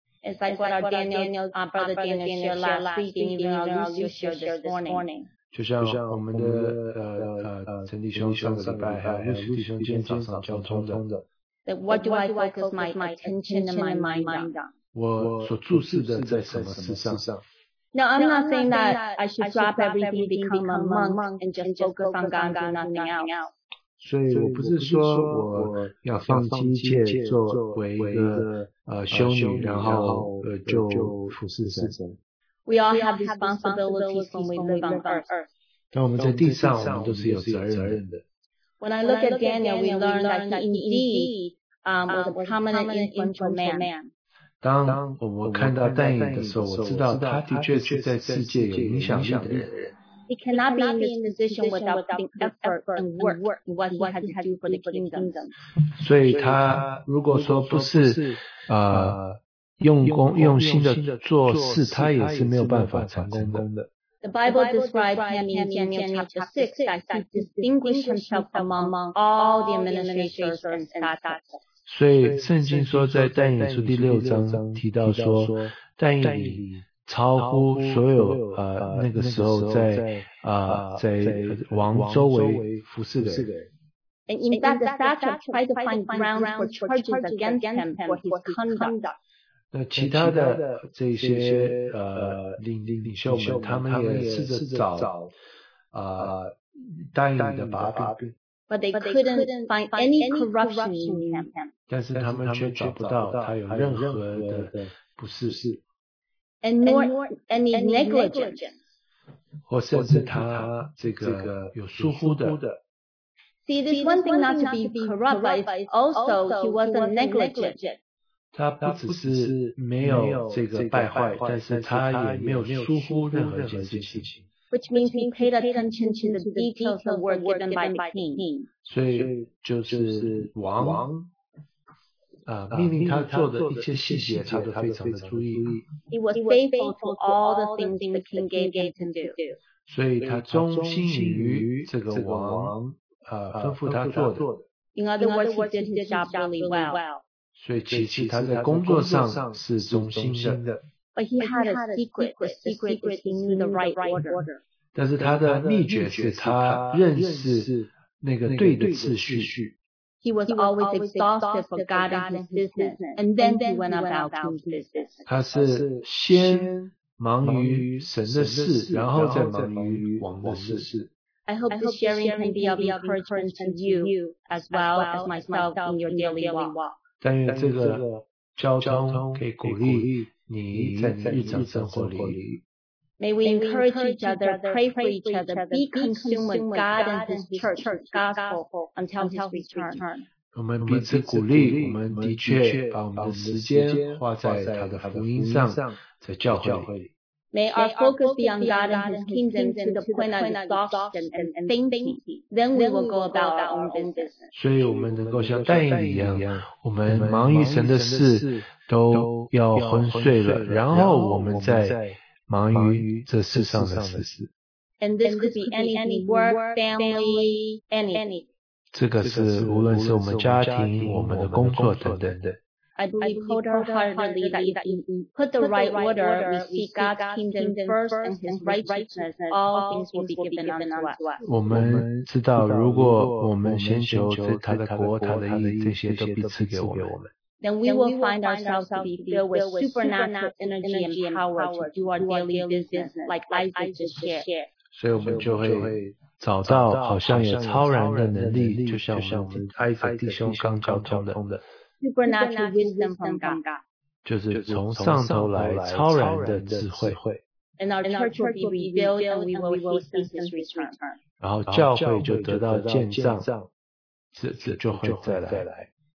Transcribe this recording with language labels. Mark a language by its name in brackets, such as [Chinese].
[English] It's like what our brother Daniel shared last week, and even our Lucio shared this morning. [Chinese] 就像我们的陈弟兄上个礼拜还有 Lucio 弟兄今天早上交通的。 [English] That what do I focus my attention and my mind on? [Chinese] 我所注视的在什么事上？ [English] Now I'm not saying that I should drop everything, become a monk, and just focus on God and nothing else. [Chinese] 所以我不是说我要放弃一切作为一个修女然后就服侍神。 [English] We all have responsibilities when we live on earth. [Chinese] 但我们在地上我们都是有责任的。 [English] When I look at Daniel, we learn that he indeed was a prominent influential man. [Chinese] 当我们看到但以理的时候，我知道他的确是在世界有影响力的人。 [English] He cannot be in this position without putting effort and work in what he has to do for the kingdom. [Chinese] 所以他如果说不是用心的做事，他也是没有办法成功的。 [English] The Bible describes him in Daniel chapter 6 that he distinguished himself among all the administrators and staff. [Chinese] 所以圣经说在但以理书第六章提到说，但以理超乎所有那个时候在王周围服侍的人。 [English] And in fact, the satrap tried to find grounds for charges against him for his conduct. [Chinese] 那其他的这些领袖们，他们也试着找但以理的把柄。 [English] But they couldn't find any corruption in him. [Chinese] 但是他们却找不到他有任何的不是。 [English] And nor any negligence. [Chinese] 或甚至他这个有疏忽的。 [English] See, this one thing not to be corrupt, but it's also he wasn't negligent. [Chinese] 他不只是没有这个败坏，但是他也没有疏忽任何一件事情。 [English] Which means he paid attention to the details of work given by the king. [Chinese] 所以就是王命令他做的一些细节他都非常的注意。 [English] He was faithful to all the things the king gave him to do. [Chinese] 所以他忠心于这个王吩咐他做的。 [English] In other words, he did his job really well. [Chinese] 所以其实他在工作上是忠心的。 [English] But he had a secret. The secret is he knew the right order. [Chinese] 但是他的秘诀是他认识那个对的次序。 [English] He was always exhausted for God and his business, and then he went about his business. [Chinese] 他是先忙于神的事，然后再忙于王的事。 [English] I hope this sharing can be of encouragement to you as well as myself in your daily walk. [Chinese] 但愿这个交通可以鼓励你在日常生活里。 [English] May we encourage each other, pray for each other, be consumed with God and His church, gospel, until His return. [Chinese] 我们彼此鼓励，我们的确把我们的时间花在他的福音上，在教会里。 [English] May our focus be on God and His kingdom to the point of exhaustion and fainting. Then we will go about our own business. [Chinese] 所以我们能够像但以理一样，我们忙于神的事都要昏睡了，然后我们再忙于这世上的事。 [English] And this could be any work, family, anything. [Chinese] 这个是无论是我们家庭、我们的工作等等的。 [English] I believe wholeheartedly that if we put the right order, we seek God's kingdom first and His righteousness, all things will be given unto us. [Chinese] 我们知道，如果我们先求他的国、他的义，这些都必赐给我们。 [English] Then we will find ourselves to be filled with supernatural energy and power to do our daily business, like Isaac just shared. [Chinese] 所以我们就会找到好像有超然的能力，就像我们艾泽弟兄刚交通的。 [English] Supernatural wisdom from God. [Chinese] 就是从上头来超然的智慧。 [English] And our church will be revealed and we will see His return. [Chinese] 然后教会就得到见证，这就会再来。